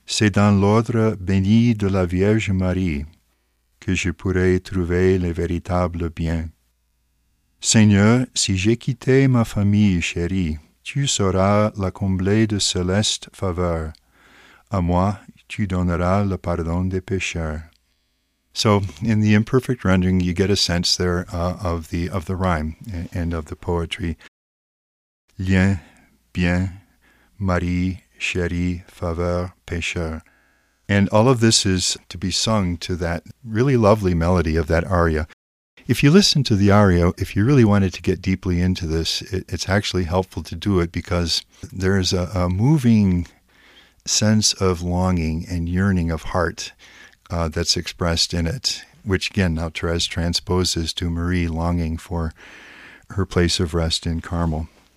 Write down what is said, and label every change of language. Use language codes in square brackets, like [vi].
[fr] C'est dans l'ordre béni de la Vierge Marie que je pourrai trouver le véritable bien. Seigneur, si j'ai quitté ma famille chérie, tu sauras la combler de céleste faveur. À moi, tu donneras le pardon des pécheurs. [en] So, in the imperfect rendering, you get a sense there of the rhyme and of the poetry. [fr] Lien, bien, Marie, chérie, faveur, pécheur. [en] And all of this is to be sung to that really lovely melody of that aria. If you listen to the aria, if you really wanted to get deeply into this, it's actually helpful to do it because there's a moving sense of longing and yearning of heart that's expressed in it, which again, now Thérèse transposes to Marie longing for her place of rest in Carmel.